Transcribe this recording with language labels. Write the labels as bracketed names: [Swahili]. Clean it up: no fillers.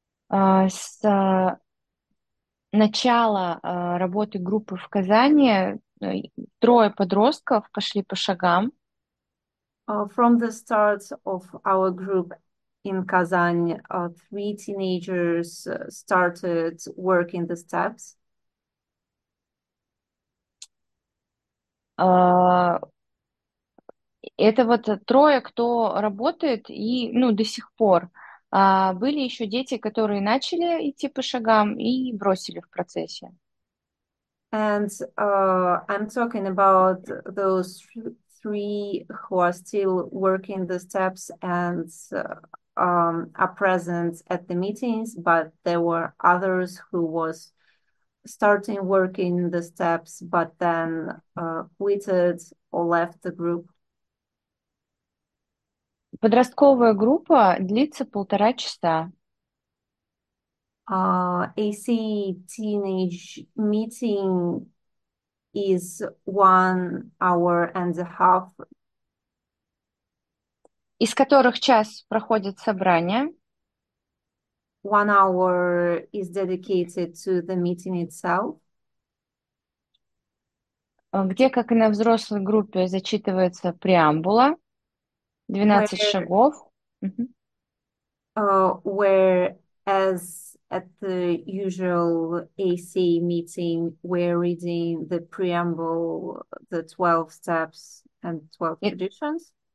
[Russian] С начала работы группы в Казани трое подростков пошли по шагам. [English] From the start of our group in Kazan, 3 teenagers started working the steps. [Russian] Это вот трое, кто работает и, ну, до сих пор. Были еще дети, которые начали идти по шагам и бросили в процессе. [English] And I'm talking about those three who are still working the steps and are present at the meetings, but there were others who was starting working the steps, but then quitted or left the group. [Russian] Подростковая группа длится 1,5 часа. [English] AC teenage meeting is 1 hour and a half. [Russian] Из которых час проходит собрание. [English] 1 hour is dedicated to the meeting itself. [Russian] Где, как и на взрослой группе, зачитывается преамбула, 12 шагов. [English] Where, as at the usual AC meeting, we're reading the preamble, the 12 steps and 12 traditions.